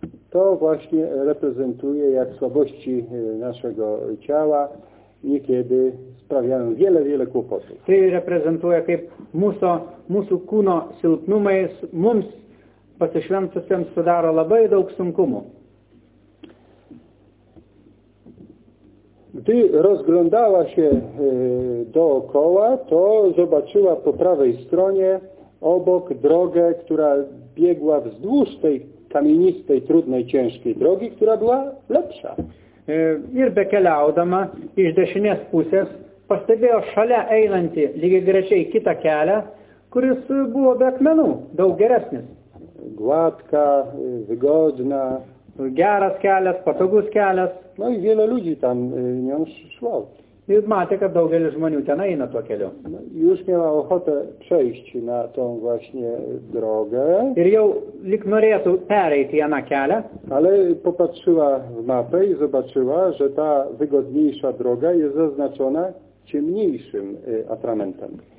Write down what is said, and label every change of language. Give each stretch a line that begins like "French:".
Polish: To właśnie reprezentuje, jak słabości naszego ciała niekiedy sprawiają wiele, wiele kłopotów.
Lithuanian: Tai reprezentuje, kaip mūsų kūno silpnumai mums pasišventusiems sudaro labai daug sunkumų.
Polish: Gdy rozglądała się dookoła, to zobaczyła po prawej stronie obok drogę, która biegła wzdłuż tej kamienistej, trudnej, ciężkiej drogi, która była lepsza.
Lithuanian: Ir bekeliaudama iš dešinės pusės pastebėjo šalia einantį lygiai grečiai kitą kelią, kuris buvo be akmenų, daug geresnis.
Polish: Gładka, wygodna.
Lithuanian: Geras kelias, patogus kelias.
Polish: No i wiele ludzi tam nią szło.
Lithuanian: I matė, kad daugelis žmonių ten eina tuo keliu.
Polish: No, już miała ochotę przejść na tą właśnie drogę.
Lithuanian: Ir jau lyg norėtų pereiti vieną kelią.
Polish: Ale popatrzyła w mapę i zobaczyła, że ta wygodniejsza droga jest zaznaczona ciemniejszym atramentem.